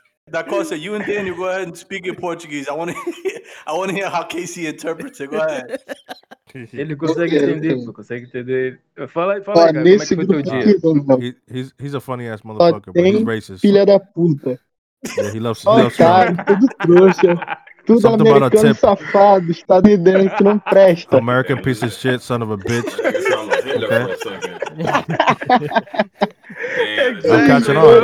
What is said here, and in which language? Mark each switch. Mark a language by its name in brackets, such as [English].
[English] Da Costa, you and Daniel, go ahead and speak in Portuguese. I want to hear how Casey interprets it. Go ahead. [Portuguese] Ele consegue entender. Fala aí, cara, como é que foi teu dia? [English] He's a funny ass motherfucker, but he's racist. [Portuguese] Filha da puta. [English] Yeah, he loves [Portuguese] cara, tudo trouxa. Tudo something americano safado, estadunidense, não presta. [English] American piece of shit, son of a bitch. Okay. Damn, I'm catching on.